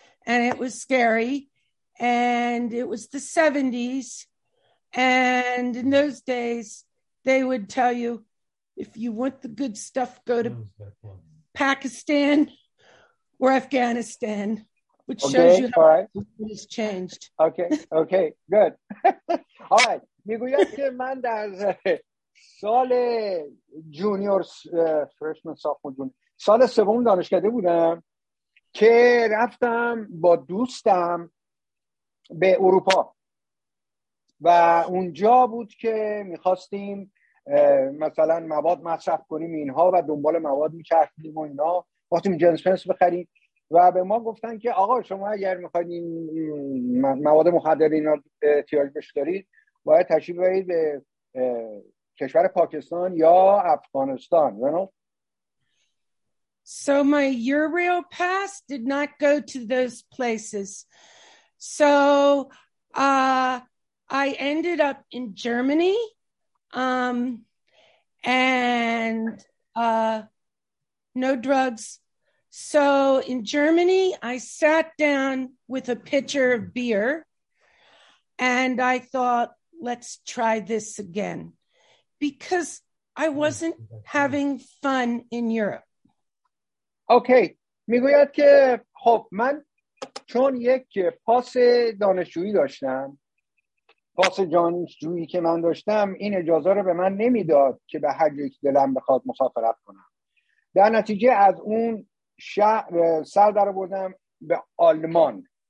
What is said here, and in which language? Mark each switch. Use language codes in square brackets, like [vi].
[en] And it was scary. And it was the 70s. And in those days, they would tell you, if you want the good stuff, go to Pakistan or Afghanistan, which shows you how it has changed. Okay, good. All right. [fa] میگوید که من در سال جونیور، [en] freshman sophomore junior, [fa] سال سوم دانشکده بودم که رفتم با دوستم به اروپا و اونجا بود که میخواستیم مثلا مواد مصرف کنیم اینها و دنبال مواد میچرخیدیم و اینا، باستیم جنس پنس بخریم و به ما گفتن که آقا شما اگر میخواید این مواد مخدر اینا احتیاج بهش دارید باید تشریف برید به کشور پاکستان یا افغانستان. [en] So my Euro pass did not go to those places. So I ended up in Germany. No drugs. So in Germany, I sat down with a pitcher of beer and I thought, let's try this again because I wasn't having fun in Europe. Okay. [fa] میگوید که خب من چون یک پاس دانشجویی داشتم، پاس جانشجویی که من داشتم این اجازه رو به من نمیداد که به هر جایی که دلم بخواد مسافرت کنم. در نتیجه از اون شهر سر در آوردم به آلمان.